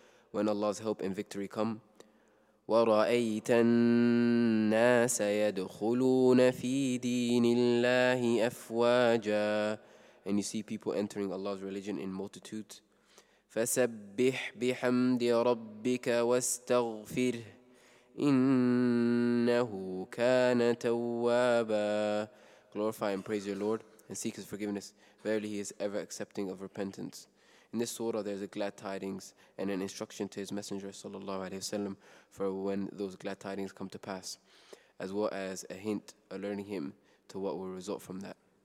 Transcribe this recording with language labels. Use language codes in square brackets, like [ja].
[en] When Allah's help and victory come. [ar] ورأيت الناس يدخلون في دين الله أفواجا. [en] And you see people entering Allah's religion in multitudes. [ar] فسبح بحمد ربك واستغفر إنه كان توابا. [en] Glorify and praise your Lord and seek his forgiveness. Verily he is ever accepting of repentance. In this surah there is a glad tidings and an instruction to his messenger sallallahu alayhi wa sallam for when those glad tidings come to pass, as well as a hint alerting him to what will result from that.